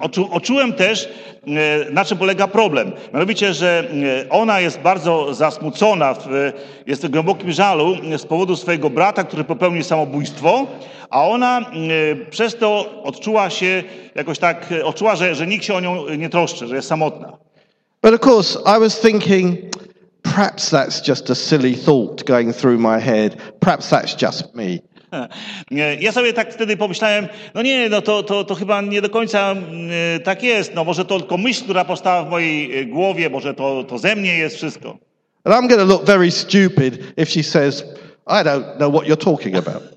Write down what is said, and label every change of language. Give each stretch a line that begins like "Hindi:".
Polish: Odczułem też, na czym polega problem. Mianowicie, że ona jest bardzo zasmucona, jest w głębokim żalu z powodu swojego brata, który popełnił samobójstwo, a ona przez to odczuła się jakoś tak, odczuła, że nikt się o nią nie troszczy, że jest samotna.
English: But of course, I was thinking, perhaps that's just a silly thought going through my head. Perhaps that's just me.
Polish: Ja sobie tak wtedy pomyślałem, to chyba nie do końca tak jest. No może to tylko myśl, która powstała w mojej głowie, może to ze mnie jest wszystko.
English: And I'm gonna look very stupid if she says, I don't know what you're talking about.